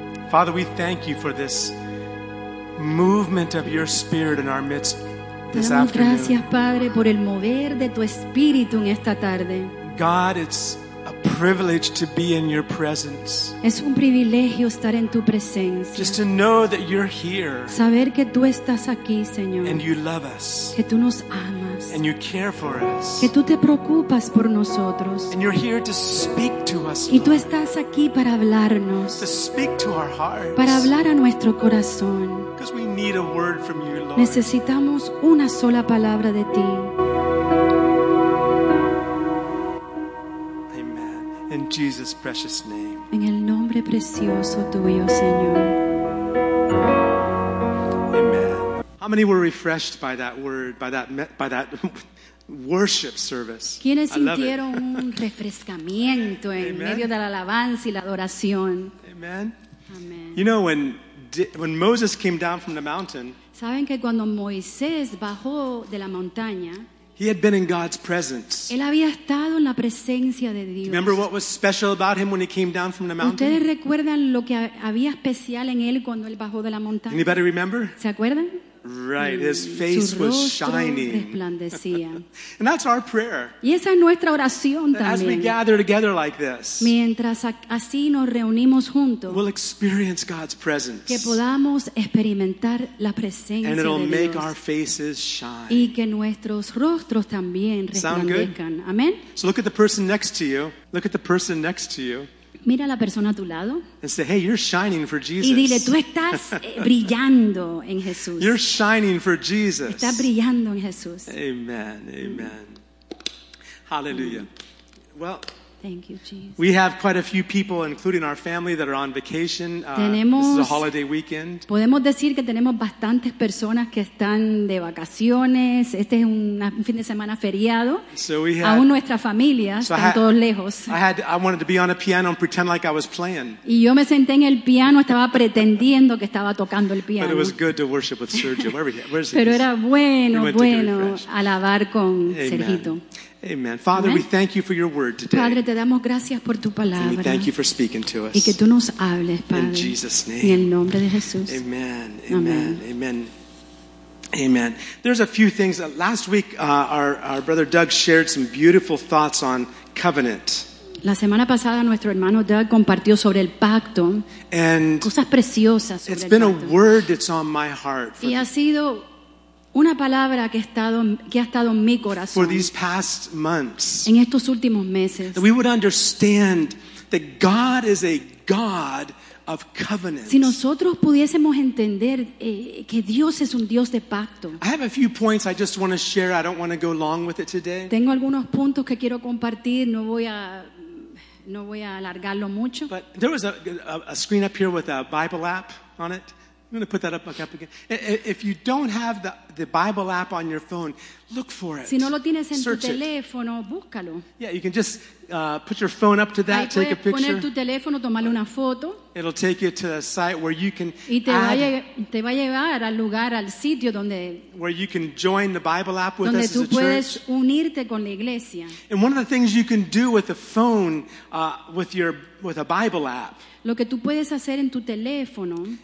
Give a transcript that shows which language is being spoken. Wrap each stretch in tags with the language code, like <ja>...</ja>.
<en>Father, we thank you for this movement of your Spirit in our midst this afternoon.</en> <es>Damos gracias, Padre, por el mover de tu Espíritu en esta tarde.</es> <en>God, it's a privilege to be in your presence.</en> <es>Es un privilegio estar en tu presencia.</es> <en>Just to know that you're here.</en> <es>Saber que tú estás aquí, Señor.</es> <en>And you love us.</en> <es>Que tú nos amas.</es> <en>And you care for us.</en> <es>Que tú te preocupas por nosotros.</es> <en>And you're here to speak to us.</en> <es>Y tú estás aquí para hablarnos.</es> <en>To speak to our hearts.</en> <es>Para hablar a nuestro corazón.</es> <en>Because we need a word from you, Lord.</en> <es>Necesitamos una sola palabra de ti.</es> <en>In Jesus' precious name.</en> <es>En el nombre precioso tuyo, Señor. Amen.</es> <en>How many were refreshed by that word, by that worship service?</en> <es>¿Quiénes sintieron un refrescamiento en medio de la alabanza y la adoración? Amen.</es> <en>You know when Moses came down from the mountain.</en> <es>¿Saben que cuando Moisés bajó de la montaña?</es> <en>He had been in God's presence.</en> <es>Él había estado en la presencia de Dios.</es> <en>Remember what was special about him when he came down from the mountain?</en> <es>¿Ustedes recuerdan lo que había especial en él cuando él bajó de la montaña?</es> <en>Anybody remember?</en> <es>¿Se acuerdan?</es> <en>Right, his face was shining.</en> <es>Resplandecía.</es> <en>And that's our prayer.</en> <es>Y esa es nuestra oración</es> <en>that</en> <es>también.</es> <en>As we gather together like this,</en> <es>mientras así nos reunimos juntos,</es> <en>we'll experience God's presence.</en> <es>Que podamos experimentar la presencia</es> <en>and it'll</en> <es>de</es> <en>make</en> <es>Dios.</es> <en>Our faces shine.</en> <es>Y que nuestros rostros también resplandezcan. Amén.</es> <en>So look at the person next to you. Look at the person next to you.</en> <es>Mira a la persona a tu lado.</es> <en>And say, hey, you're shining for Jesus.</en> <es>Y dile, tú estás brillando en Jesús.</es> <en>You're shining for Jesus.</en> <es>Estás brillando en Jesús.</es> <en>Amen, amen. Hallelujah. Well, thank you, Jesus. We have quite a few people, including our family, that are on vacation.</en> <es>Tenemos,</es> <en>this is a holiday weekend.</en> <es>Podemos decir que tenemos bastantes personas que están de vacaciones. Este es un fin de semana feriado.</es> <en>So we had,</en> <es>aún nuestras familias</es> <en>so</en> <es>están todos lejos.</es> <en>I wanted to be on a piano and pretend like I was playing.</en> <es>Y yo me senté en el piano, estaba pretendiendo que estaba tocando el piano.</es> <en>But it was good to worship with Sergio. Where is he?</en> <es>Pero era bueno alabar con Sergito.</es> <en>Amen. Father, Amen. We thank you for your word today.</en> <es>Padre, te damos gracias por tu palabra.</es> <en>And we thank you for speaking to us.</en> <es>Y que tú nos hables, Padre.</es> <en>In Jesus' name.</en> <es>Y el nombre de Jesús.</es> <en>Amen. Amen. Amen. Amen. Amen. There's a few things. Last week, our brother Doug shared some beautiful thoughts on covenant.</en> <es>La semana pasada nuestro hermano Doug compartió sobre el pacto,</es> <en>and</en> <es>cosas preciosas sobre</es> <en>it's been</en> <es>el pacto.</es> <en>A word that's on my heart</en> <es>y ha sido una palabra que ha estado en mi corazón</es> <en>for these past months,</en> <es>en estos últimos meses.</es> <en>That we would understand that God is a God of covenants.</en> <es>Si nosotros pudiésemos entender que Dios es un Dios de pacto.</es> <en>I have a few points I just want to share. I don't want to go long with it today.</en> <es>Tengo algunos puntos que quiero compartir. No voy a alargarlo mucho.</es> <en>But there was a screen up here with a Bible app on it. I'm going to put that up again. If you don't have the Bible app on your phone, look for it.</en> <es>Si no lo tienes en Search tu teléfono, it. Búscalo.</es> <en>Yeah, you can just put your phone up to that,</en> <es>ahí puedes</es> <en>take a picture.</en> <es>Poner tu teléfono, tomarle una foto.</es> <en>It'll take you to a site where you can</en> <es>y te va a llevar al lugar, al sitio donde,</es> <en>where you can join the Bible app with</en> <es>donde</es> <en>us</en> <es>tú</es> <en>as a</en> <es>puedes</es> <en>church.</en> <es>Unirte con la iglesia.</es> <en>And one of the things you can do with a phone, with a Bible app,</en> <es>lo que tú puedes hacer en tu teléfono</es>